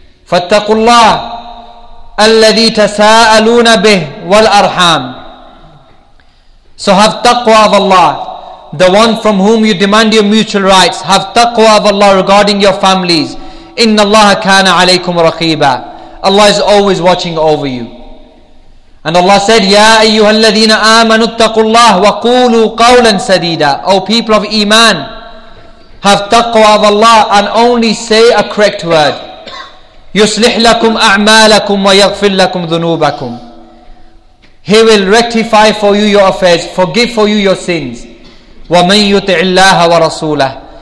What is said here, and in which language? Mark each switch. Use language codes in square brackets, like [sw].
[ar] فَاتَّقُوا اللَّهَ الَّذِي تَسَاءَلُونَ بِهِ وَالْأَرْحَامِ. [en] So have taqwa of Allah, the one from whom you demand your mutual rights. Have taqwa of Allah regarding your families. [ar] إِنَّ اللَّهَ كَانَ عَلَيْكُمْ رَقِيبًا. [en] Allah is always watching over you. And Allah said, [ar] يَا أَيُّهَا الَّذِينَ آمَنُوا اتَّقُوا اللَّهُ وَقُولُوا قَوْلًا سَدِيدًا. [en] O people of Iman, have taqwa of Allah and only say a correct word. [ar] يُصْلِحْ لَكُمْ أَعْمَالَكُمْ وَيَغْفِرْ لَكُمْ ذُنُوبَكُمْ. [en] He will rectify for you your affairs, forgive for you your sins. [ar] وَمَنْ يُطِعِ اللَّهَ وَرَسُولَهُ.